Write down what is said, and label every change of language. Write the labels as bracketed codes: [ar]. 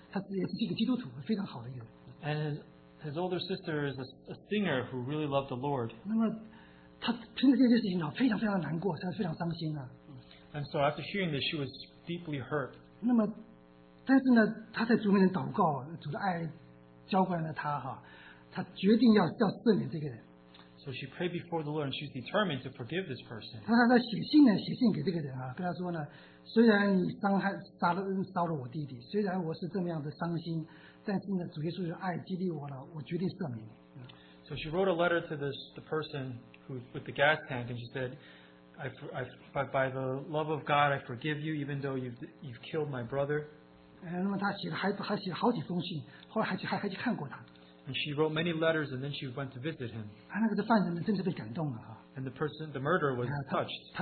[zh] 那姐姐呢是那个是个三弟的一个歌手啊，唱歌的啊，那个他也是一个基督徒，非常好的一个人。 [en] And his older sister is a singer who really loved the Lord. [zh] 那么他听这件事情非常非常难过，他非常伤心啊。 [en] And so after hearing this, she was deeply hurt. [zh] 那么但是呢，他在主面前祷告，主的爱浇灌了他哈。她决定要赦免这个人。 [en] So she prayed before the Lord and she's determined to forgive this person. [zh] 她写信呢，写信给这个人啊，跟他说呢，虽然你伤害杀了我弟弟，虽然我是这么样的伤心，但是呢，主耶稣的爱激励我了，我决定赦免你。 [en] So she wrote a letter to the person who with the gas tank and she said, by the love of God, I forgive you even though you've killed my brother. [zh] 那么她写了好几封信，后来还去看过他。 [en] And she wrote many letters and then she went to visit him. [zh] 啊,那个犯人真是被感动了, [en] and the person, the murderer was touched.